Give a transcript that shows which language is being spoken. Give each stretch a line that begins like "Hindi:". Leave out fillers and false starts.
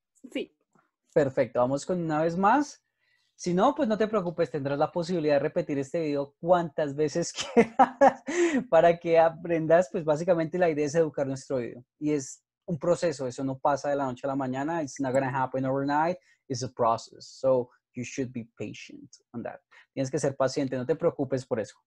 Spanish: Sí. Perfecto, vamos con una vez más. Si no, pues no te preocupes, tendrás la posibilidad de repetir este video cuantas veces quieras para que aprendas. Pues básicamente la idea es educar nuestro oído. Y es un proceso, eso no pasa de la noche a la mañana.
English: It's not going to happen overnight, it's a process. So you should be patient on that.
Spanish: Tienes que ser paciente, no te preocupes por eso.